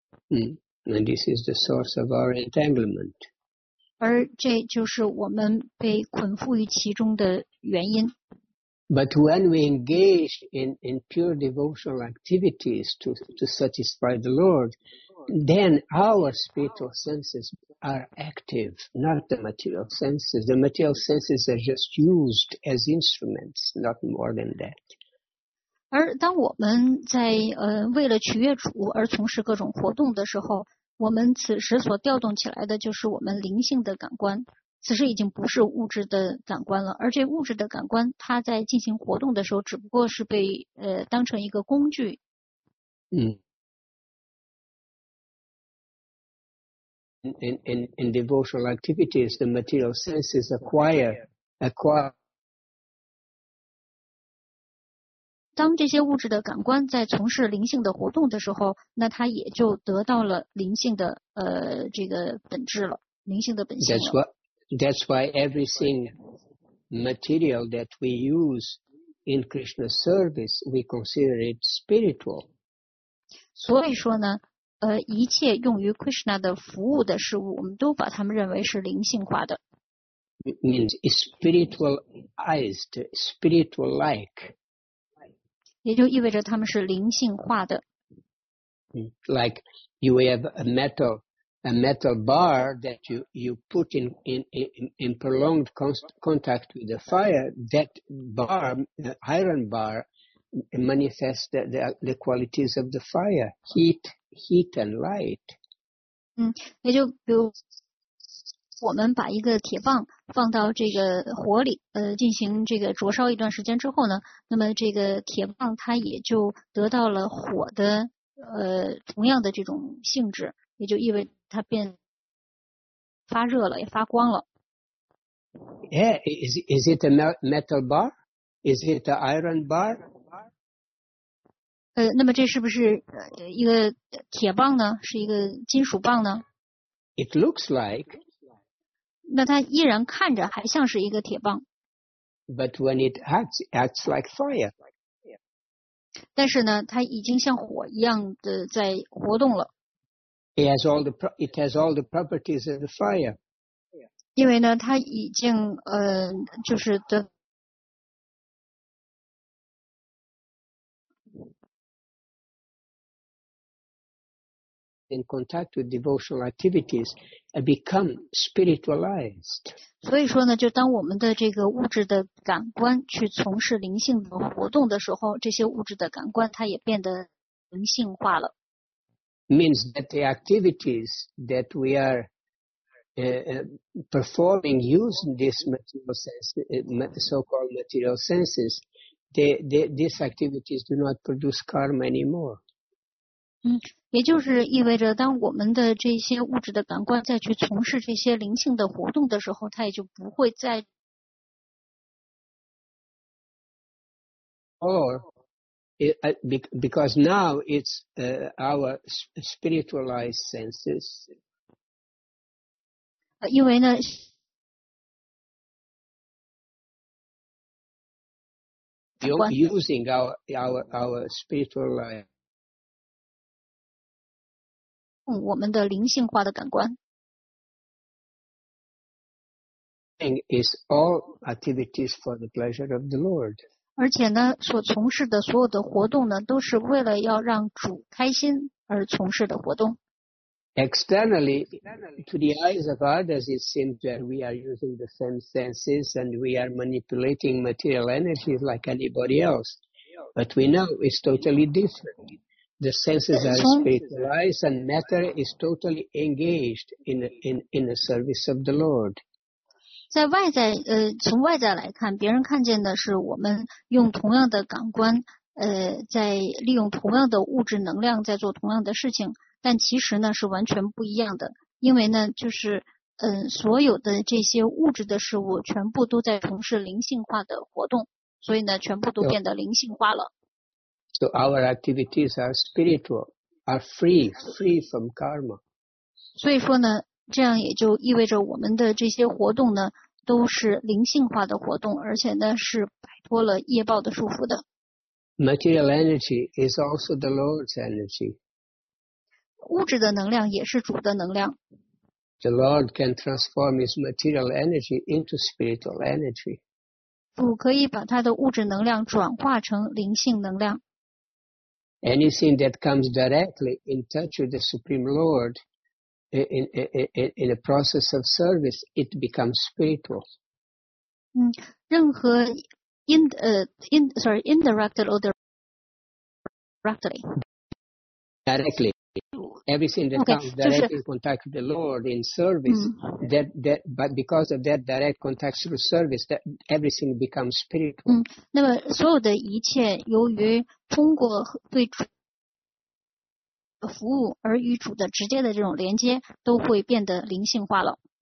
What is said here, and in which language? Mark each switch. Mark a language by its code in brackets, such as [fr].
[en] And this is the source of our entanglement. [zh] 而这就是我们被捆缚于其中的原因。 [en] But when we engage in pure devotional activities to satisfy the Lord, then our spiritual senses are active, not the material senses. The material senses are just used as instruments, not more than that. [zh] 而当我们在为了取悦主而从事各种活动的时候，我们此时所调动起来的就是我们灵性的感官。此时已经不是物质的感官了，而这物质的感官它在进行活动的时候只不过是被当成一个工具。 [en] In devotional activities, the material senses acquire. [zh] 当这些物质的感官在从事灵性的活动的时候，那它也就得到了灵性的这个本质了，灵性的本性了。 [en] That's why everything material that we use in Krishna's service, we consider it spiritual. [zh] 所以说呢，一切用于 Krishna 的服务的事物，我们都把它们认为是灵性化的。 [en] It means spiritualized, spiritual-like. [zh] 也就意味着它们是灵性化的。 [en] Like you have a metal bar that you put in prolonged contact with the fire, that bar, the iron bar, manifests the qualities of the fire, heat and light. [zh] 也就比如我们把一个铁棒放到这个火里进行这个灼烧一段时间之后呢，那么这个铁棒它也就得到了火的同样的这种性质，也就意味它变发热了，也发光了。 [en] Yeah, is it a metal bar? Is it an iron bar? [zh] 那么这是不是一个铁棒呢？是一个金属棒呢 [en] ？It looks like. [zh] 那它依然看着还像是一个铁棒。 [en] But when it acts like fire. [zh] 但是呢，它已经像火一样的在活动了。 [en] It has all the properties of the fire. [zh] 因为呢，它已经就是的。 [en] In contact with devotional activities, and become spiritualized. [zh] 所以说呢，就当我们的这个物质的感官去从事灵性的活动的时候，这些物质的感官它也变得灵性化了。 [en] Means that the activities that we are performing using this material sense, so-called material senses, these activities do not produce karma anymore. [zh] 也就是意味着当我们的这些物质的感官再去从事这些灵性的活动的时候，它也就不会再。 [en] Because now it's our spiritualized senses. [zh] 因为呢， [en] using our spiritualized, [zh] 我们的灵性化的感官 [en] is all activities for the pleasure of the Lord. [zh] 而且呢，所从事的所有的活动呢，都是为了要让主开心而从事的活动。 [en] Externally, to the eyes of others, it seems that we are using the same senses and we are manipulating material energies like anybody else. But we know it's totally different. The senses are spiritualized and matter is totally engaged in the service of the Lord. [zh] 在外在从外在来看，别人看见的是我们用同样的感官在利用同样的物质能量在做同样的事情，但其实呢是完全不一样的。因为呢就是所有的这些物质的事物全部都在从事灵性化的活动，所以呢全部都变得灵性化了。 [en] So our activities are spiritual, are free from karma. [zh] 所以说呢这样也就意味着我们的这些活动呢都是灵性化的活动，而且呢是摆脱了业报的束缚的。 [en] Material energy is also the Lord's energy. [zh] 物质的能量也是主的能量。 [en] The Lord can transform his material energy into spiritual energy. [zh] 主可以把他的物质能量转化成灵性能量。 [en] Anything that comes directly in touch with the Supreme Lord in a process of service, it becomes spiritual. [zh] 任何 [en] indirectly, everything that okay, comes directly in contact with the Lord in service, that but because of that direct contact through service, that everything becomes spiritual. [zh] 那么所有的一切由于通过对主的服务而与主的直接的这种连接，都会变得灵性化了。